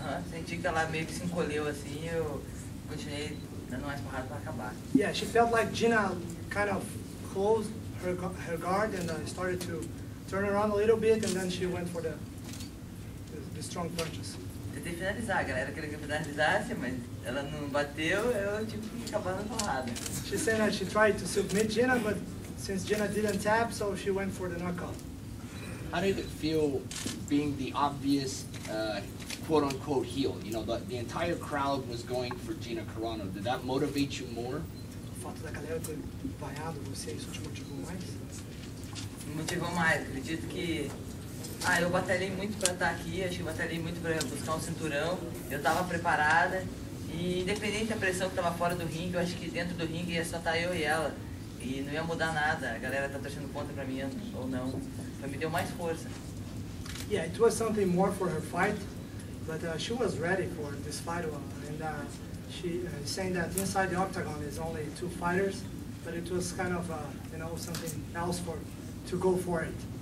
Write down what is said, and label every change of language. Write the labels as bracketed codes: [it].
[pt] Senti que ela meio que se encolheu assim, eu continuei dando mais porrada para acabar. [en] Yeah, she felt like Gina kind of closed her guard and started to turn around a little bit, and then she went for the strong punches. [pt] Tentei finalizar, a galera queria que eu finalizasse, mas ela não bateu, eu tive que acabar na porrada. [en] She said that she tried to submit Gina, but since Gina didn't tap, so she went for the knockout. How did it feel being the obvious quote-unquote heel? You know, the entire crowd was going for Gina Carano. Did that motivate you more? [pt] O fato da galera ter vaiado você, isso te motivou mais? Me motivou mais, acredito que... Ah, eu batalhei muito para estar aqui, acho que batalhei muito para buscar um cinturão. Eu estava preparada E independente da pressão que estava fora do ringue, eu acho que dentro do ringue ia só estar eu e ela. E não ia mudar nada. A galera tá torcendo contra pra mim ou não. Então me deu mais força. [en] Yeah, it was something more for her fight, but she was ready for this fight one. And she saying that inside the octagon is only two fighters, but it was kind of something else for to go for it.